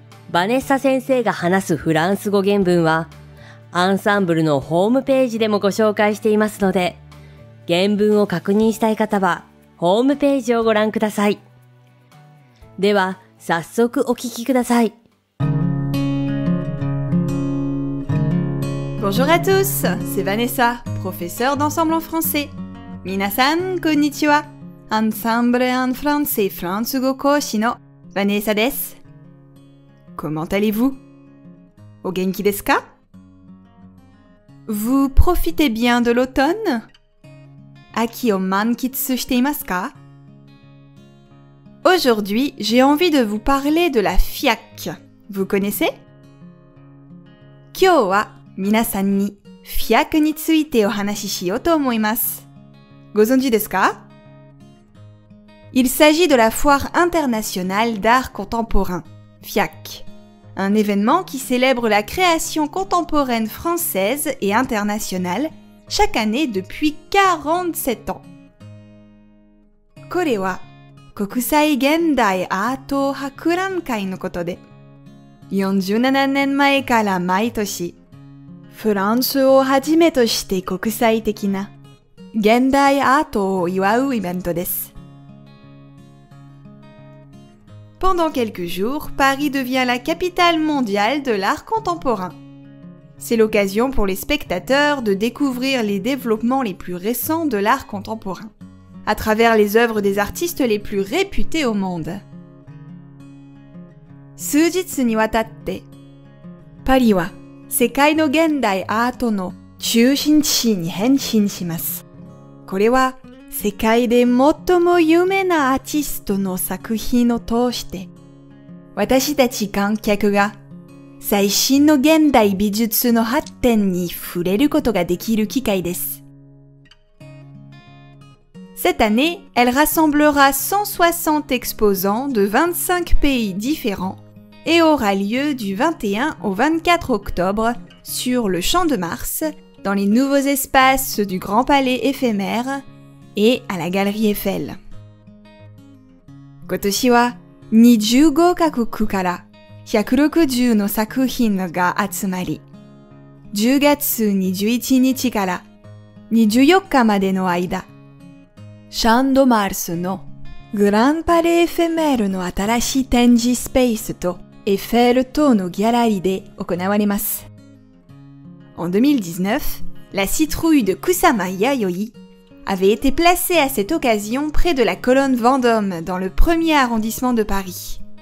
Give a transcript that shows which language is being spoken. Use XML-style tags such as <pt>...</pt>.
<ja>バネッサ先生が話すフランス語原文はアンサンブルのホームページでもご紹介していますので、原文を確認したい方はホームページをご覧ください。では早速お聞きください。</ja> <fr>Bonjour à tous, c'est Vanessa, professeur d'ensemble en français.</fr> <ja>皆さん、こんにちは。アンサンブルアンフランセフランス語講師のヴァネッサです。</ja> <fr>Comment allez-vous?</fr> <ja>お元気ですか?</ja> <fr>Vous profitez bien de l'automne?</fr> <ja>秋を満喫していますか?</ja> <fr>Aujourd'hui, j'ai envie de vous parler de la FIAC. Vous connaissez?</fr> <ja>今日は皆さんに FIAC についてお話ししようと思います。ご存知ですか?</ja> <fr>Il s'agit de la Foire Internationale d'Art Contemporain, FIAC. Un événement qui célèbre la création contemporaine française et internationale chaque année depuis 47 ans. これは国際現代アート博覧会のことで、47年前から毎年、フランスをはじめとして国際的な現代アートを祝うイベントです。 Pendant quelques jours, Paris devient la capitale mondiale de l'art contemporain. C'est l'occasion pour les spectateurs de découvrir les développements les plus récents de l'art contemporain. À travers les œuvres des artistes les plus réputés au monde.</fr> <ja>数日にわたって、パリは世界の現代アートの中心地に変身します。これは世界で最も有名なアーティストの作品を通して、私たち観客が最新の現代美術の発展に触れることができる機会です。</ja> <fr>Cette année, elle rassemblera 160 exposants de 25 pays différents et aura lieu du 21 au 24 octobre sur le Champ de Mars, dans les nouveaux espaces du Grand Palais éphémère et à la Galerie Eiffel.</fr> <ja>今年は25カ国から160の作品が集まり、10月21日から24日までの間、シャンドマルスのグランパレエフェメールの新しい展示スペースとエッフェル塔のギャラリーで行われます。</ja> <fr>En 2019, la citrouille de Kusama Yayoi avait été placée à cette occasion près de la colonne Vendôme dans le premier arrondissement de Paris.</fr>